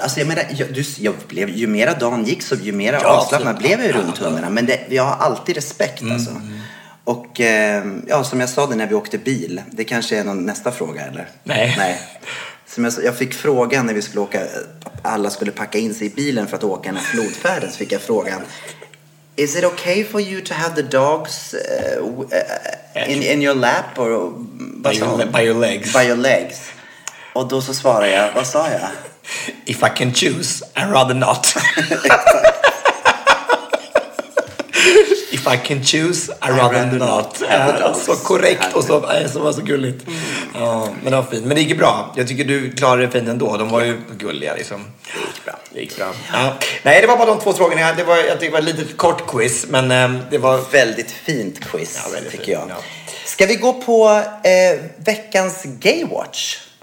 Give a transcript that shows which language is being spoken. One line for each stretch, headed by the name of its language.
Swedish: Alltså, jag menar, ju mera dagen gick så ju mera avslappnad blev jag runt hundarna. Men jag har alltid respekt, alltså. Och ja, som jag sa det när vi åkte bil. Det kanske är någon nästa fråga, eller? Nej. Som jag fick frågan när vi skulle åka... Alla skulle packa in sig i bilen för att åka den här flodfärden. Så fick jag frågan...
English: Is it okay for you to have the dogs in your lap or by your legs?
Swedish: Och då så svarar jag, vad sa jag?
English: If I can choose, I'd rather not. If I can choose, I'd rather not.
Swedish: Så korrekt och så var så gulligt. Men det var fint. Men det gick bra. Jag tycker du klarade det fint ändå. De var ju gulliga liksom. Det gick bra. Nej, det var bara de 2 frågorna. Jag tyckte det var ett litet kort quiz. Men det var... Väldigt fint quiz, ja, väldigt tycker fin, jag. Ja. Ska vi gå på veckans Gaywatch?